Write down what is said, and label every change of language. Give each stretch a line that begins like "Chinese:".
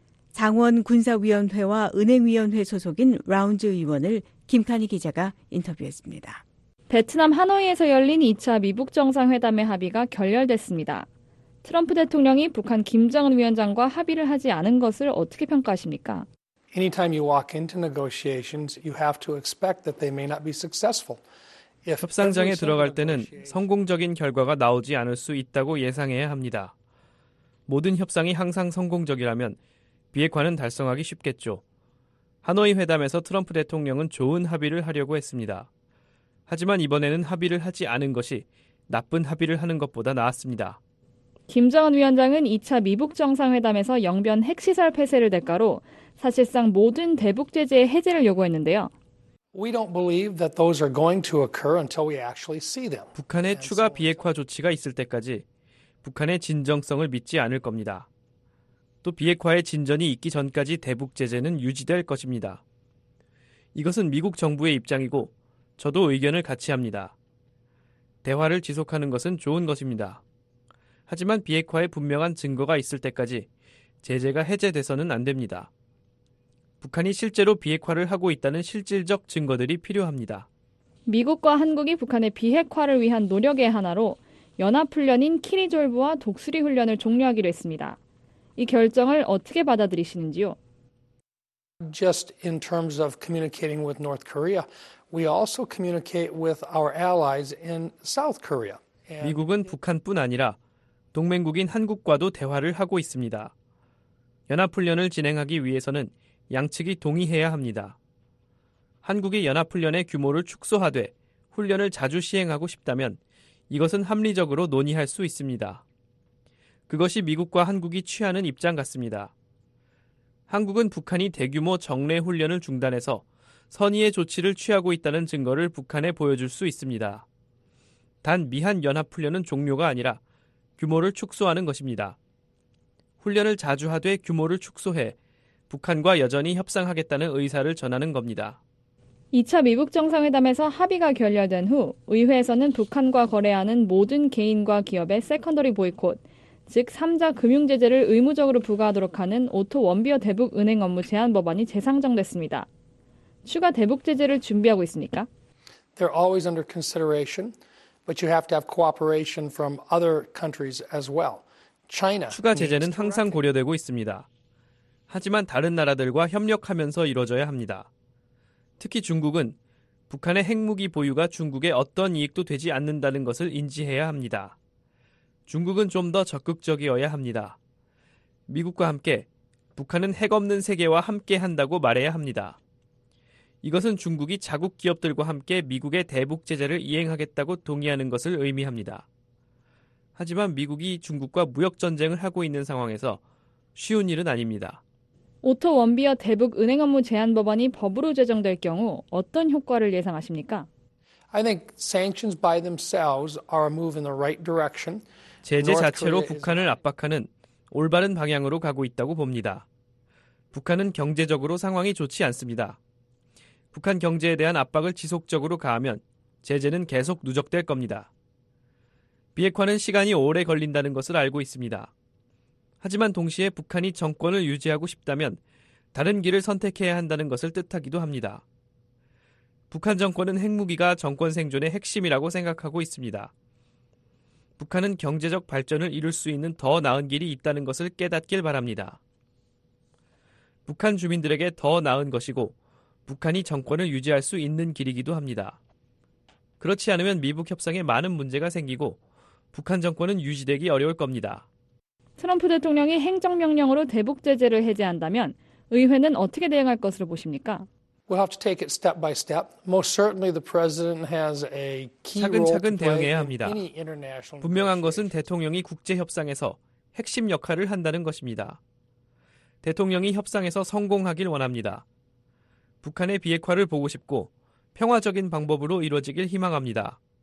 Korean: 상원 군사위원회와 은행위원회 소속인 라운즈 의원을 김카니 기자가 인터뷰했습니다. 베트남 하노이에서 열린 2차 미북 정상회담의 합의가 결렬됐습니다. 트럼프 대통령이 북한 김정은 위원장과 합의를 하지 않은 것을 어떻게 평가하십니까?
English: Anytime you walk into negotiations, you have to expect that they may not be successful.
Korean: 협상장에 들어갈 때는 성공적인 결과가 나오지 않을 수 있다고 예상해야 합니다. 모든 협상이 항상 성공적이라면 비핵화는 달성하기 쉽겠죠. 하노이 회담에서 트럼프 대통령은 좋은 합의를 하려고 했습니다. 하지만 이번에는 합의를 하지 않은 것이 나쁜 합의를 하는 것보다 나았습니다. 김정은 위원장은 2차 미북 정상회담에서 영변 핵시설 폐쇄를 대가로 사실상 모든 대북 제재의 해제를 요구했는데요.
English: We don't believe that those are going to occur until we actually see them.
Korean: 북한의 추가 비핵화 조치가 있을 때까지 북한의 진정성을 믿지 않을 겁니다. 또 비핵화의 진전이 있기 전까지 대북 제재는 유지될 것입니다. 이것은 미국 정부의 입장이고 저도 의견을 같이 합니다. 대화를 지속하는 것은 좋은 것입니다. 하지만 비핵화에 분명한 증거가 있을 때까지 제재가 해제돼서는 안 됩니다. 북한이 실제로 비핵화를 하고 있다는 실질적 증거들이 필요합니다. 미국과 한국이 북한의 비핵화를 위한 노력의 하나로 연합훈련인 키리졸브와 독수리 훈련을 종료하기로 했습니다. 이 결정을 어떻게 받아들이시는지요?
English: Just in terms of communicating with North Korea, we also communicate with our allies in South Korea.
Korean: 미국은 북한뿐 아니라 동맹국인 한국과도 대화를 하고 있습니다. 연합훈련을 진행하기 위해서는 양측이 동의해야 합니다. 한국이 연합훈련의 규모를 축소하되 훈련을 자주 시행하고 싶다면 이것은 합리적으로 논의할 수 있습니다. 그것이 미국과 한국이 취하는 입장 같습니다. 한국은 북한이 대규모 정례 훈련을 중단해서 선의의 조치를 취하고 있다는 증거를 북한에 보여줄 수 있습니다. 단 미한 연합훈련은 종료가 아니라 규모를 축소하는 것입니다. 훈련을 자주 하되 규모를 축소해 북한과 여전히 협상하겠다는 의사를 전하는 겁니다. 2차 미북 정상회담에서 합의가 결렬된 후 의회에서는 북한과 거래하는 모든 개인과 기업의 세컨더리 보이콧, 즉 3자 금융제재를 의무적으로 부과하도록 하는 오토 원비어 대북 은행 업무 제한 법안이 재상정됐습니다. 추가 대북 제재를 준비하고 있습니까?
English: They're always under consideration, but you have to have cooperation from other countries as well. China.
Korean: 추가 제재는 항상 고려되고 있습니다. 하지만 다른 나라들과 협력하면서 이루어져야 합니다. 특히 중국은 북한의 핵무기 보유가 중국에 어떤 이익도 되지 않는다는 것을 인지해야 합니다. 중국은 좀 더 적극적이어야 합니다. 미국과 함께 북한은 핵 없는 세계와 함께 한다고 말해야 합니다. 이것은 중국이 자국 기업들과 함께 미국의 대북 제재를 이행하겠다고 동의하는 것을 의미합니다. 하지만 미국이 중국과 무역 전쟁을 하고 있는 상황에서 쉬운 일은 아닙니다. 오토 원비어 대북 은행 업무 제한 법안이 법으로 제정될 경우 어떤 효과를 예상하십니까?
English: I think sanctions by themselves are a move in the right direction.
Korean: 제재 자체로 북한을 압박하는 올바른 방향으로 가고 있다고 봅니다. 북한은 경제적으로 상황이 좋지 않습니다. 북한 경제에 대한 압박을 지속적으로 가하면 제재는 계속 누적될 겁니다. 비핵화는 시간이 오래 걸린다는 것을 알고 있습니다. 하지만 동시에 북한이 정권을 유지하고 싶다면 다른 길을 선택해야 한다는 것을 뜻하기도 합니다. 북한 정권은 핵무기가 정권 생존의 핵심이라고 생각하고 있습니다. 북한은 경제적 발전을 이룰 수 있는 더 나은 길이 있다는 것을 깨닫길 바랍니다. 북한 주민들에게 더 나은 것이고 북한이 정권을 유지할 수 있는 길이기도 합니다. 그렇지 않으면 미북 협상에 많은 문제가 생기고 북한 정권은 유지되기 어려울 겁니다. 트럼프 대통령이 행정명령으로 대북 제재를 해제한다면 의회는 어떻게 대응할 것으로 보십니까?
English: We'll have to take it step by step. Most certainly the president has a key role.
Korean: 차근차근 대응해야 합니다. 분명한 것은 대통령이 국제 협상에서 핵심 역할을 한다는 것입니다. 대통령이 협상에서 성공하길 원합니다. 북한의 비핵화를 보고 싶고 평화적인 방법으로 이루어지길 희망합니다.